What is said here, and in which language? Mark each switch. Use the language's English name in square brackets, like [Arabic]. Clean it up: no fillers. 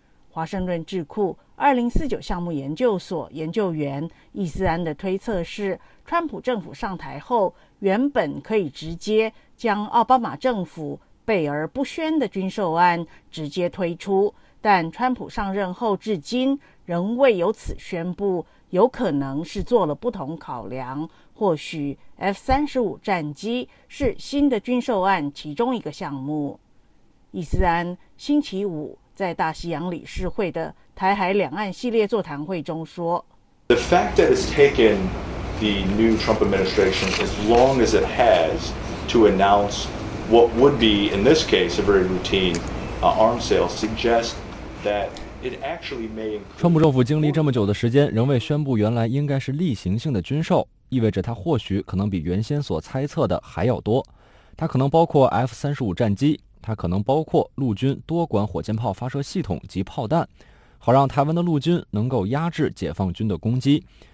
[Chinese] 华盛顿智库2049项目研究所研究员易思安的推测是，川普政府上台后原本可以直接将奥巴马政府备而不宣的军售案直接推出，但川普上任后至今仍未有此宣布，有可能是做了不同考量，或许 F-35 战机是新的军售案其中一个项目。伊斯安星期五在大西洋理事会的台海两岸系列座谈会中说， [English] The fact that it's taken the new Trump administration as long as it has to announce what would be in this case a very routine arms sale suggests that it actually may include [Chinese] 川普政府经历这么久的时间仍未宣布原来应该是例行性的军售，意味着它或许可能比原先所猜测的还要多。它可能包括 F-35 战机，它可能包括陆军多管火箭炮发射系统及炮弹，好让台湾的陆军能够压制解放军的攻击。